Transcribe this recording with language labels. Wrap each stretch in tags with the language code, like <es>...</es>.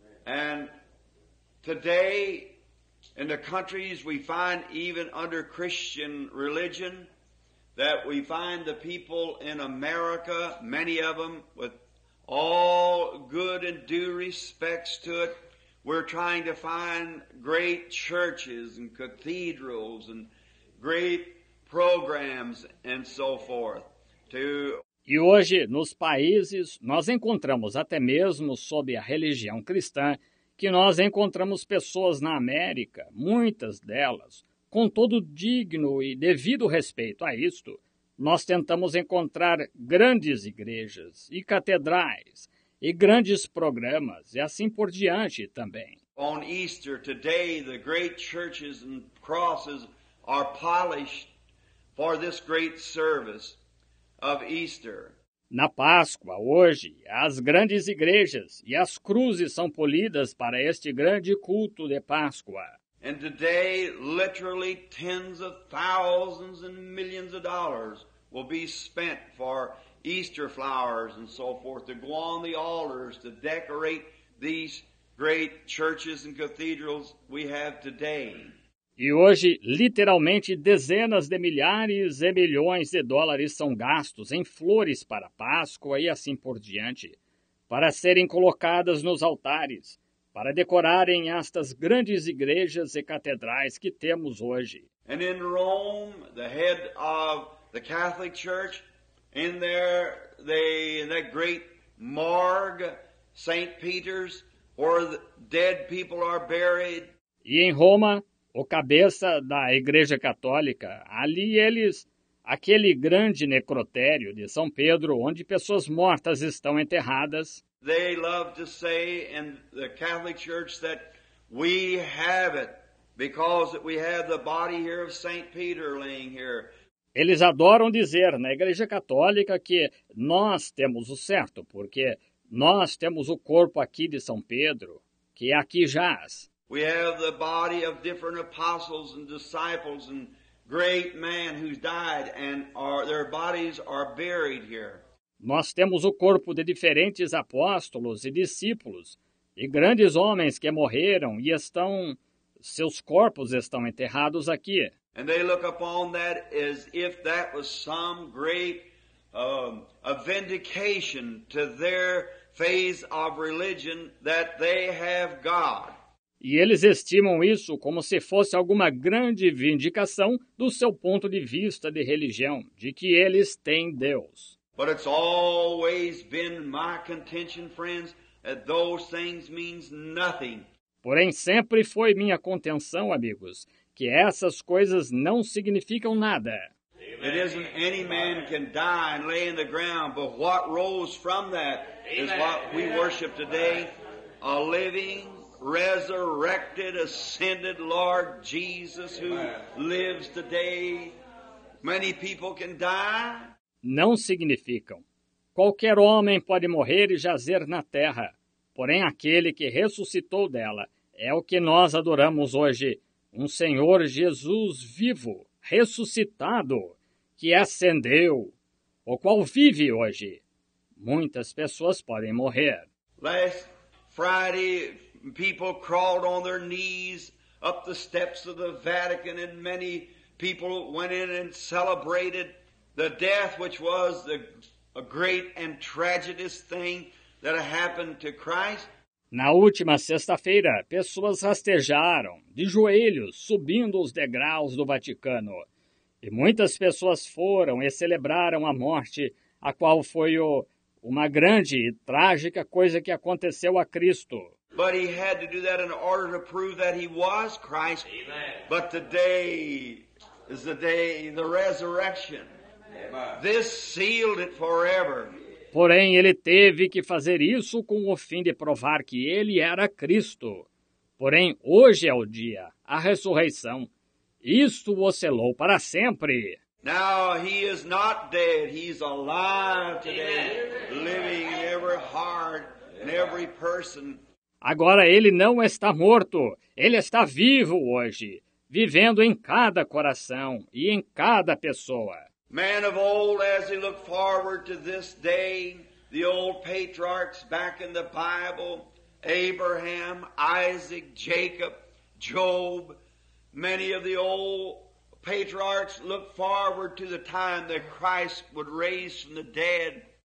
<en>And today, in the countries we find even under Christian religion, that we find the people in America, many of them, with all good and due respects to it, we're trying to find great churches and cathedrals and great programs and so forth.</en> <pt>E hoje, nos países, nós encontramos até mesmo sob a religião cristã, que nós encontramos pessoas na América, muitas delas, com todo digno e devido respeito a isto, nós tentamos encontrar grandes igrejas e catedrais e grandes programas e assim por diante também.</pt> <en>On Easter today, the great churches and crosses are polished for this great service of Easter.</en> <pt>Na Páscoa, hoje, as grandes igrejas e as cruzes são polidas para este grande culto de Páscoa.</pt> <en>And today, literally tens of thousands and millions of dollars will be spent for Easter flowers and so forth to go on the altars to decorate these great churches and cathedrals we have today.</en> <pt>E hoje, literalmente, dezenas de milhares e milhões de dólares são gastos em flores para Páscoa e assim por diante, para serem colocadas nos altares, para decorarem estas grandes igrejas e catedrais que temos hoje.</pt> <en>And in Rome, the head of the Catholic Church, in there, in that great morgue, St. Peter's, where the dead people are buried.</en> <pt>E em Roma, o cabeça da Igreja Católica, ali eles, aquele grande necrotério de São Pedro, onde pessoas mortas estão enterradas.</pt> <en>They love to say in the Catholic Church that we have it because we have the body here of St. Peter laying here.</en> <pt>Eles adoram dizer na Igreja Católica que nós temos o certo, porque nós temos o corpo aqui de São Pedro, que aqui jaz.</pt> <en>We have the body of different apostles and disciples and great men who died and their bodies are buried here.</en> <pt>Nós temos o corpo de diferentes apóstolos e discípulos e grandes homens que morreram e estão, seus corpos estão enterrados aqui.</pt> <en>And they look upon that as if that was some great a vindication to their phase of religion that they have God.</en> <pt>E eles estimam isso como se fosse alguma grande vindicação do seu ponto de vista de religião, de que eles têm Deus.</pt> <en>But it's always been my contention, friends, that those things mean nothing.</en> <pt>Porém, sempre foi minha contenção, amigos, que essas coisas não significam nada.</pt> <en>It isn't any man can die and lay in the ground, but what rose from that is what we worship today, a living, resurrected, ascended Lord Jesus who lives today. Many people can die.</en> <pt>Não significam. Qualquer homem pode morrer e jazer na terra, porém aquele que ressuscitou dela é o que nós adoramos hoje, um Senhor Jesus vivo, ressuscitado, que ascendeu, o qual vive hoje. Muitas pessoas podem morrer.</pt> <en>Last Friday, people crawled on their knees up the steps of the Vatican and many people went in and celebrated the death, which was a great and tragic thing that happened to Christ.</en> <pt>Na última sexta-feira, pessoas rastejaram de joelhos subindo os degraus do Vaticano. E muitas pessoas foram e celebraram a morte, a qual foi uma grande e trágica coisa que aconteceu a Cristo.</pt> <en>But he had to do that in order to prove that he was Christ. Amen. But today is the day, the resurrection. This sealed it forever.</en> <pt>Porém, ele teve que fazer isso com o fim de provar que ele era Cristo. Porém, hoje é o dia, a ressurreição. Isto o selou para sempre.</pt> <en>Now he is not dead, he's alive today, living in every heart and every person.</en> <pt>Agora ele não está morto, ele está vivo hoje, vivendo em cada coração e em cada pessoa.</pt> <en>Man of old, as he looked forward to this day, the old patriarchs back in the Bible, Abraham, Isaac, Jacob, Job, many of the old patriarchs looked forward to the time that Christ would raise from the dead.</en>